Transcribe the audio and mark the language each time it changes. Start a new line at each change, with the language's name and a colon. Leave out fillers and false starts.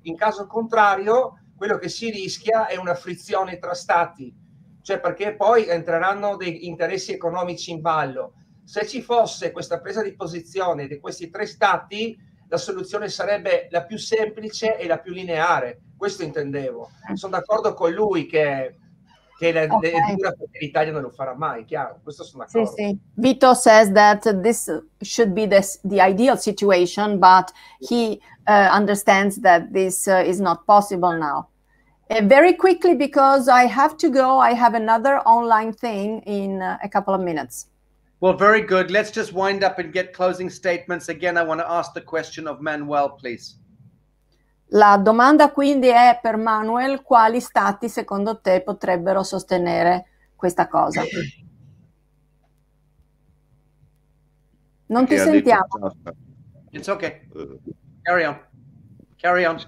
Italian: In caso contrario, quello che si rischia è una frizione tra stati, cioè perché poi entreranno dei interessi economici in ballo. Se ci fosse questa presa di posizione di questi tre stati, la soluzione sarebbe la più semplice e la più lineare. Questo intendevo. Sono d'accordo con lui che l'Italia non lo farà mai, chiaro. Questo sono d'accordo. Sì, sì.
English: Vito says that this should be the ideal situation, but he understands that this is not possible now. Very quickly, because I have to go. I have another online thing in a couple of minutes. Well, very good. Let's just wind up and get closing statements. Again, I want to ask the question of Manuel, please.
Italian: La domanda quindi è per Manuel: quali stati secondo te potrebbero sostenere questa cosa? Non ti sentiamo.
English: It's okay. Carry on. Carry on.